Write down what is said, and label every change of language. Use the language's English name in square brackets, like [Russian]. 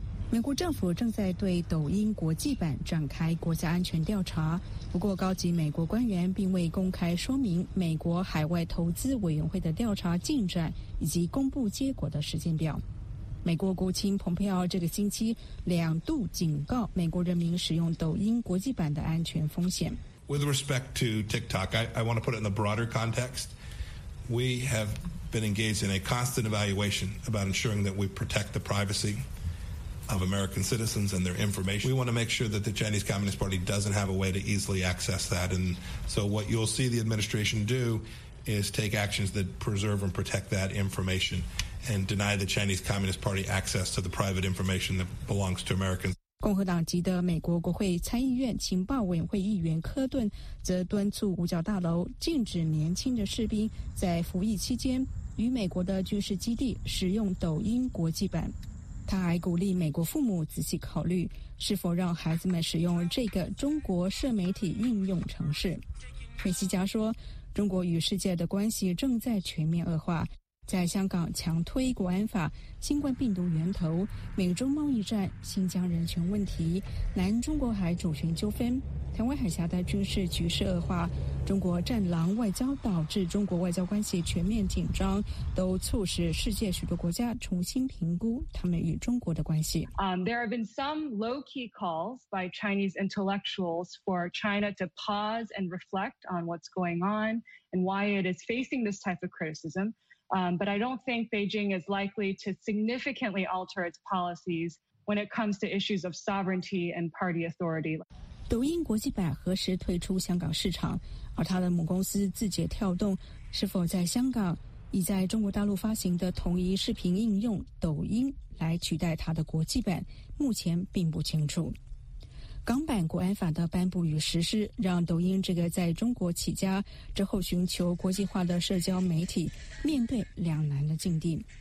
[Chinese] 美国政府正在对抖音国际版展开国家安全调查，不过高级美国官员并未公开说明美国海外投资委员会的调查进展以及公布结果的时间表。美国国务卿蓬佩奥这个星期两度警告美国人民使用抖音国际版的安全风险。 [English] With respect to TikTok, I want to put it in the broader context. We have been engaged in a constant evaluation about ensuring that we protect the privacy of American citizens and their information. We want to make sure that the Chinese Communist Party doesn't have a way to easily access that. And so what you'll see the administration do is take actions that preserve and protect that information. And deny the Chinese Communist Party access to the private information that belongs to Americans. [Chinese] 共和党籍的美国国会参议院情报委员会议员科顿则敦促五角大楼禁止年轻的士兵在服役期间与美国的军事基地使用抖音国际版。他还鼓励美国父母仔细考虑是否让孩子们使用这个中国社媒体应用程式。分析家说，中国与世界的关系正在全面恶化。在香港强推国安法、新冠病毒源头、美中贸易战、新疆人权问题、南中国海主权纠纷、台湾海峡的军事局势恶化、中国战狼外交导致中国外交关系全面紧张，都促使世界许多国家重新评估他们与中国的关系。 [English] There have been some low-key calls by Chinese intellectuals for China to pause and reflect on what's going on and why it is facing this type of criticism. But I don't think Beijing is likely to significantly alter its policies when it comes to issues of sovereignty and party authority. [Chinese] 抖音国际版何时退出香港市场？而他的母公司字节跳动是否在香港以在中国大陆发行的同一视频应用抖音来取代他的国际版？目前并不清楚。港版国安法的颁布与实施，让抖音这个在中国起家之后寻求国际化的社交媒体面对两难的境地。